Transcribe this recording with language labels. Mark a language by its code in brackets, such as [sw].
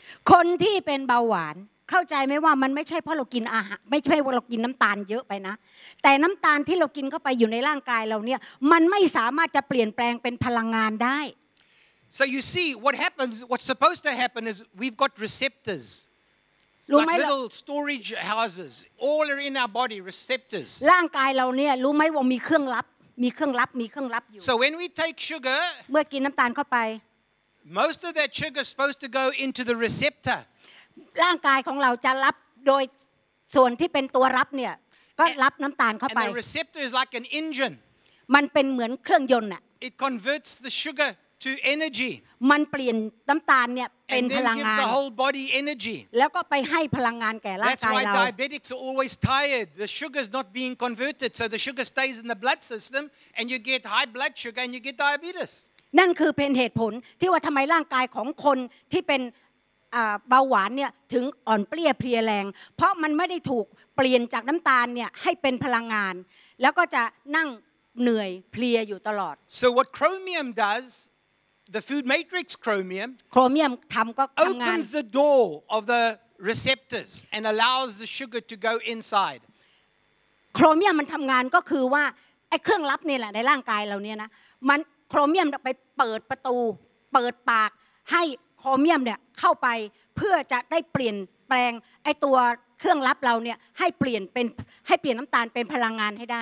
[th] คนที่เป็นเบาหวานเข้าใจไหมว่ามันไม่ใช่เพราะเรากินอาหารไม่ใช่เพราะเรากินน้ำตาลเยอะไปนะแต่น้ำตาลที่เรากินเข้าไปอยู่ในร่างกายเราเนี่ยมันไม่สามารถจะเปลี่ยนแปลงเป็นพลังงานได้ [en] So you see what happens, what's supposed to happen is we've got receptors. Like little storage houses, all are in our body, receptors. [th] ร่างกายเราเนี่ยรู้ไหมว่ามีเครื่องลับมีเครื่องลับมีเครื่องลับอยู่ [en] So when we take sugar [th] เมื่อกินน้ําตาลเข้าไป [en] Most of that sugar is supposed to go into the receptor [th] ร่างกายของเราจะรับโดยส่วนที่เป็นตัวรับเนี่ยก็รับน้ําตาลเข้าไป [en] And the receptor is like an engine [th] มันเป็นเหมือนเครื่องยนต์น่ะ [en] It converts the sugar to energy [th] มันเปลี่ยนน้ําตาลเนี่ยเป็นพลังงาน [en] And the whole body energy [th] แล้วก็ไปให้พลังงานแก่ร่างกายเรา [en] That's why diabetics are always tired the sugar is not being converted so the sugar stays in the blood system and you get high blood sugar and you get diabetes [th] นั่นคือเป็นเหตุผลที่ว่าทําไมร่างกายของคนที่เป็นเบาหวานเนี่ยถึงอ่อนเปลี้ยเพลียแรงเพราะมันไม่ได้ถูกเปลี่ยนจากน้ําตาลเนี่ยให้เป็นพลังงานแล้วก็จะนั่งเหนื่อยเพลียอยู่ตลอด [en] So what chromium doesThe food matrix chromium. [th] Chromium ทำก็ทำงาน [en] opens the door of the receptors and allows the sugar to go inside. [th] Chromium มันทำงานก็คือว่าไอ้เครื่องลับนี่แหละในร่างกายเราเนี่ยนะมันโครเมียมไปเปิดประตูเปิดปากให้โครเมียมเนี่ยเข้าไปเพื่อจะได้เปลี่ยนแปลงไอ้ตัวเครื่องลับเราเนี่ยให้เปลี่ยนน้ำตาลเป็นพลังงานให้ได